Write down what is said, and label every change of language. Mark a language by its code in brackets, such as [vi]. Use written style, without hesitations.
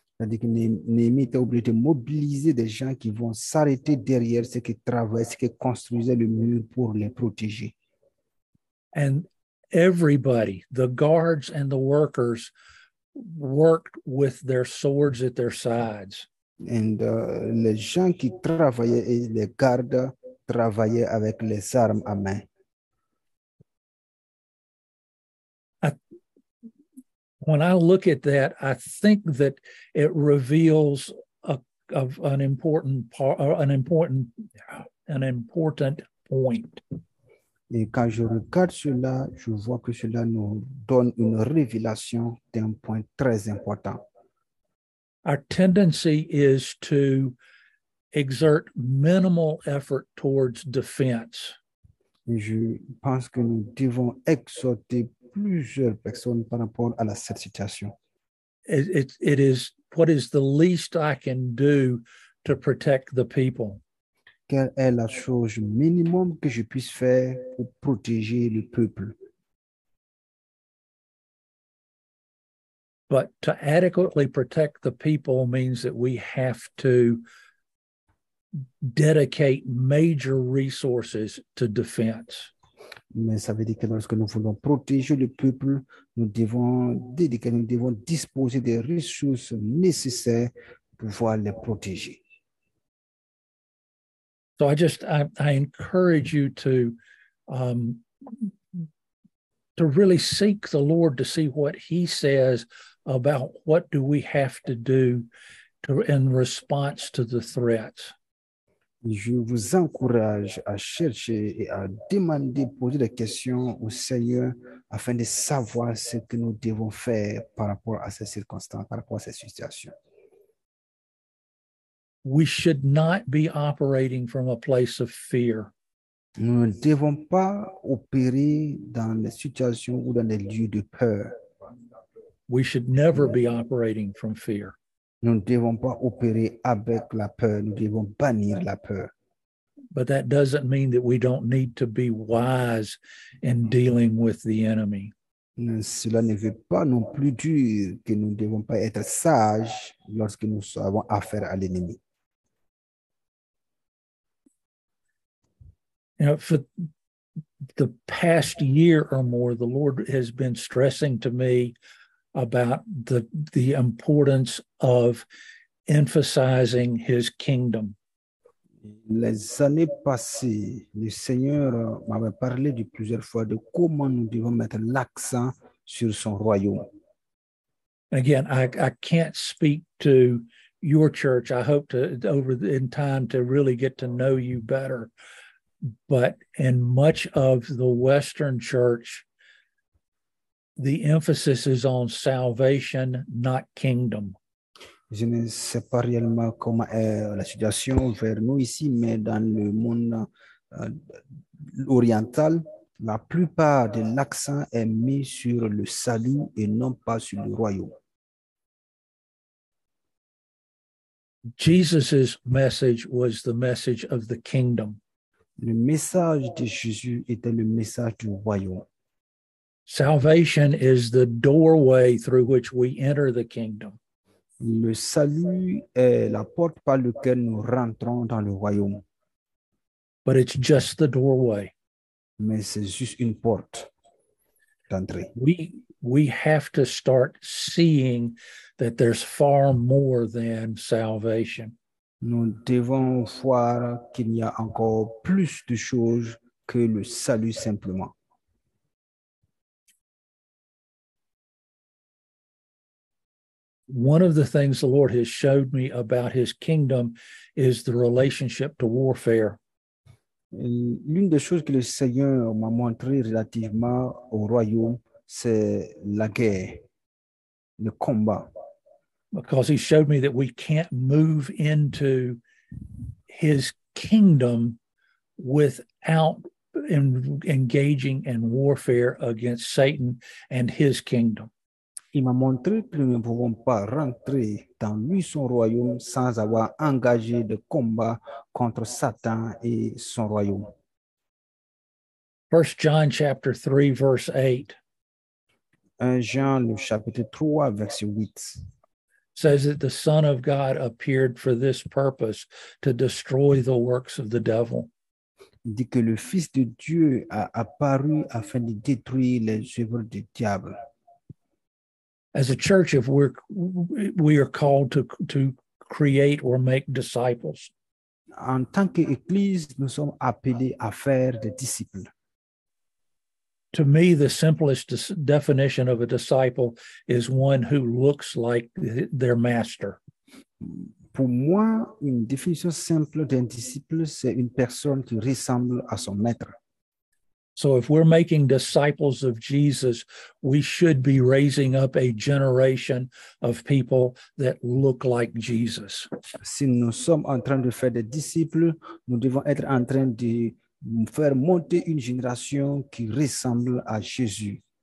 [fr] C'est-à-dire que Néhémie était obligé de mobiliser des gens qui vont s'arrêter derrière ceux qui travaillaient, ceux qui construisaient le mur pour les protéger. [en] And everybody, the guards and the workers, worked with their swords at their sides. And [fr] les gens qui travaillaient et les gardes travaillaient avec les armes à main. [en] When I look at that, I think that it reveals an important point. [fr] Et quand je regarde cela, je vois que cela nous donne une révélation d'un point très important. [en] Our tendency is to exert minimal effort towards defense. [fr] Je pense que nous devons exhorter plusieurs personnes par rapport à cette situation. [en] It is what is the least I can do to protect the people. [fr] Quelle est la chose minimum que je puisse faire pour protéger le peuple? [en] But to adequately protect the people means that we have to dedicate major resources to defense. [fr] Mais ça veut dire que lorsque nous voulons protéger le peuple, nous devons disposer des ressources nécessaires pouvoir les protéger. [en] So I just I encourage you to really seek the Lord to see what He says about what do we have to do to in response to the threats. [fr] Je vous encourage à chercher et à demander, poser des questions au Seigneur afin de savoir ce que nous devons faire par rapport à ces circonstances, par rapport à ces situations. [en] We should not be operating from a place of fear. [fr] Nous ne devons pas opérer dans les situations ou dans les lieux de peur. [en] We should never be operating from fear. [fr] Nous ne devons pas opérer avec la peur. Nous devons bannir la peur. [en] But that doesn't mean that we don't need to be wise in dealing with the enemy. [fr] Mais cela ne veut pas non plus dire que nous ne devons pas être sages lorsque nous avons affaire à l'ennemi. [en] You know, for the past year or more, the Lord has been stressing to me about the importance of emphasizing His kingdom. [fr] Les années passées, le Seigneur m'avait parlé de plusieurs fois de comment nous devons mettre l'accent sur son royaume. [en] Again, I can't speak to your church. I hope to over the, in time to really get to know you better. But in much of the Western church, the emphasis is on salvation, not kingdom. [fr] Je ne sais pas réellement comment est la situation vers nous ici, mais dans le monde oriental, la plupart de l'accent est mis sur le salut et non pas sur le royaume. [en] Jesus's message was the message of the kingdom. [fr] Le message de Jésus était le message du royaume. [en] Salvation is the doorway through which we enter the kingdom. [fr] Le salut est la porte par laquelle nous rentrons dans le royaume. [en] But it's just the doorway. [fr] Mais c'est juste une porte d'entrée. [en] We have to start seeing that there's far more than salvation. [fr] Nous devons voir qu'il y a encore plus de choses que le salut simplement. [en] One of the things the Lord has showed me about His kingdom is the relationship to warfare. [fr] L'une des choses que le Seigneur m'a montré relativement au royaume, c'est la guerre, le combat. [en] Because He showed me that we can't move into His kingdom without engaging in warfare against Satan and his kingdom. [fr] Il m'a montré que nous ne pouvons pas rentrer dans lui son royaume sans avoir engagé de combat contre Satan et son royaume. [en] 1 John chapter 3, verse 8. [fr] 1 Jean, le chapitre 3, verset 8. [en] Says that the Son of God appeared for this purpose to destroy the works of the devil. [fr] Il dit que le Fils de Dieu a apparu afin de détruire les œuvres du diable. [en] As a church, if we are called to create or make disciples. [fr] En tant qu'église, nous sommes appelés à faire des disciples. [en] To me, the simplest definition of a disciple is one who looks like their master. [fr] Pour moi, une définition simple d'un disciple, c'est une personne qui ressemble à son maître. [en] So if we're making disciples of Jesus, we should be raising up a generation of people that look like Jesus. [fr] Si nous sommes en train de faire des disciples, nous devons être en train de faire monter une génération qui ressemble à Jésus.